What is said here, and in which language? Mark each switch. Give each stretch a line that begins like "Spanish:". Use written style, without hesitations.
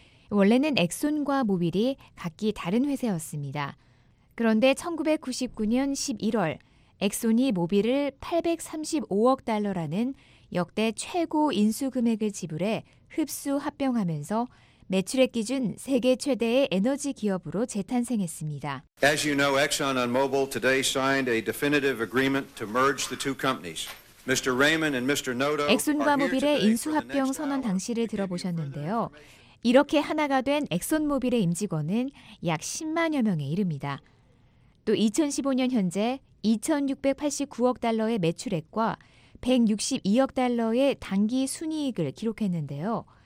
Korean: 원래는 엑손과 모빌이 각기 다른 회사였습니다. 그런데 1999년 11월 엑손이 모빌을 835억 달러라는 역대 최고 인수 금액을 지불해 흡수 합병하면서 매출액 기준 세계 최대의 에너지 기업으로 재탄생했습니다.
English: As you know, Exxon and Mobil today signed a definitive agreement to merge the two companies. Mr. Raymond and Mr. Noto.
Korean: 엑손과 모빌의 인수 합병 선언 당시를 들어보셨는데요. 이렇게 하나가 된 엑손 모빌의 임직원은 약 10만여 명에 이릅니다. 또 2015년 현재 2,689억 달러의 매출액과 162억 달러의 당기 순이익을 기록했는데요.